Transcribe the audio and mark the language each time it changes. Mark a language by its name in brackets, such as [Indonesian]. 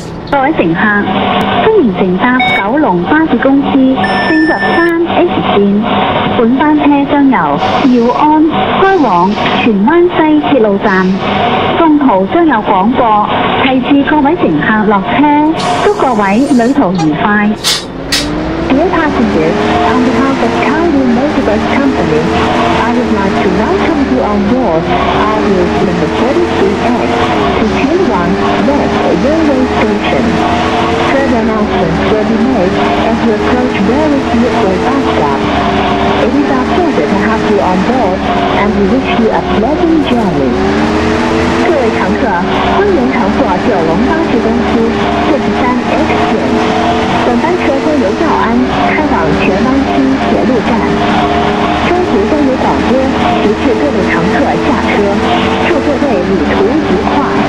[Chinese] 各位乘客，欢迎乘搭九龙巴士公司43 H 线，本班车将由耀安开往荃湾西铁路站，中途将有广播提示各位乘客落车，祝各位旅途愉快。 [English] Dear passengers, on behalf of Kowloon Motorbus Company, I would like to welcome you on board our route number 43X to Tianwan West Railway Station. Further announcements will be made as you approach various nearby bus stops. It is our pleasure to have you on board and we wish you a pleasant journey. [Chinese] 欢迎乘坐九龙巴士公司43 X 线，本班车将由耀安开往荃湾西铁路站，中途将有广播提示各位乘客下车，祝各位旅途愉快。